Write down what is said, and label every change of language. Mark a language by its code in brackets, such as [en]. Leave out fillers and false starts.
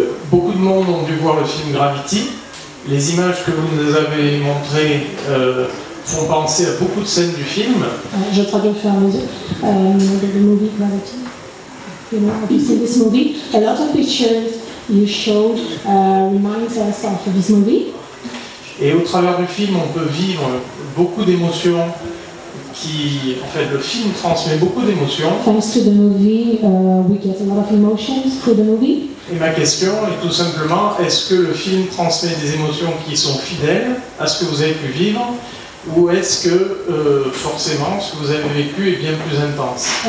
[fr] Beaucoup de monde ont dû voir le film Gravity. Les images que vous nous avez montrées font penser à beaucoup de scènes du film. Je traduis au fur et à mesure. Le movie Gravity. [en] You know, have you seen this movie? A lot of pictures you showed reminds us of this movie. [fr] Et au travers du film, on peut vivre beaucoup d'émotions. Qui, en fait, le film transmet beaucoup d'émotions. [en] Thanks to the movie, we get a lot of emotions through the movie. [fr] Et ma question est tout simplement, est-ce que le film transmet des émotions qui sont fidèles à ce que vous avez pu vivre, ou est-ce que forcément ce que vous avez vécu est bien plus intense?